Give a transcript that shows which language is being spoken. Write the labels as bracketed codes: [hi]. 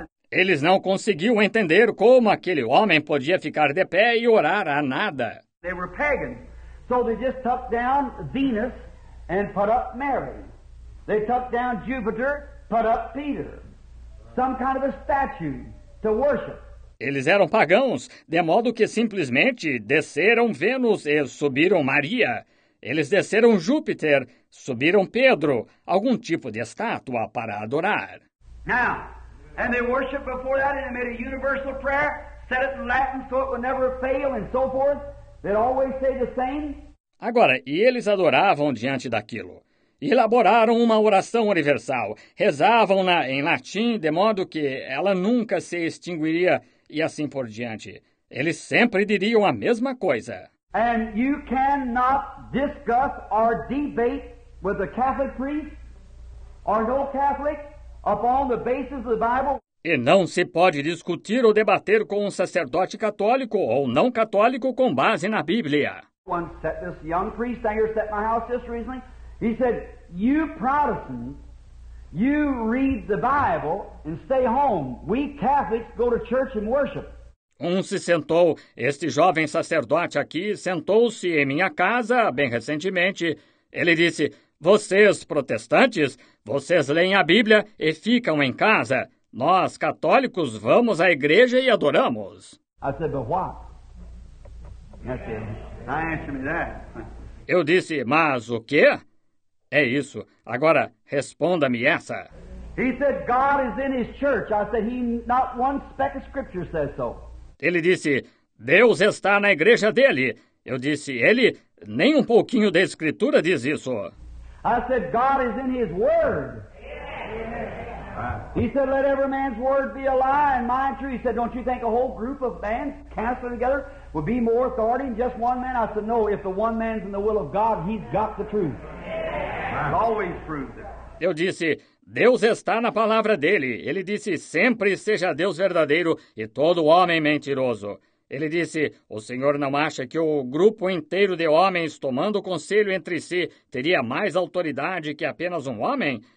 [pt] Eles não conseguiam entender como aquele homem podia ficar de pé e orar a nada. [en] They were pagans. So they just took down Venus and put up Mary. They took down Jupiter, put up Peter. Some kind of a statue to worship. [pt] Eles eram pagãos, de modo que simplesmente desceram Vênus e subiram Maria. Eles desceram Júpiter, subiram Pedro, algum tipo de estátua para adorar. [en] Now, and they worshiped before that and they made a universal prayer, said it in Latin so it would never fail and so forth. They'd always say the same. [pt] Agora, e eles adoravam diante daquilo. Elaboraram uma oração universal, rezavam-na em latim, de modo que ela nunca se extinguiria. E assim por diante. Eles sempre diriam a mesma coisa. [en] And you cannot discuss or debate with a Catholic priest or no Catholic upon the basis of the Bible. [pt] E não se pode discutir ou debater com um sacerdote católico ou não católico com base na Bíblia. [en] One set this young priest down here set my house just recently. He said, "You Protestants, you read the Bible and stay home. We Catholics go to church and worship." [pt] Um se sentou, este jovem sacerdote aqui, sentou-se em minha casa bem recentemente. Ele disse, "Vocês, protestantes, vocês leem a Bíblia e ficam em casa. Nós, católicos, vamos à igreja e adoramos." [en] I said, "But what?" That's it. I answered me that. [pt] Eu disse, "Mas o quê?" É isso. Agora, responda-me essa. [en] He said, "God is in his church." I said, "He, not one speck of scripture says so." [pt] Ele disse, "Deus está na igreja dele." Eu disse, "Ele, nem um pouquinho da escritura diz isso." [en] I said, "God is in his word." He said, "Let every man's word be a lie and mine true." He said, "Don't you think a whole group of bands counseling together would be more authority than just one man?" I said, "No, if the one man's in the will of God, he's got the truth." [pt] Eu disse, Deus está na palavra dele. Ele disse, sempre seja Deus verdadeiro e todo homem mentiroso. Ele disse, o senhor não acha que o grupo inteiro de homens tomando conselho entre si teria mais autoridade que apenas um homem?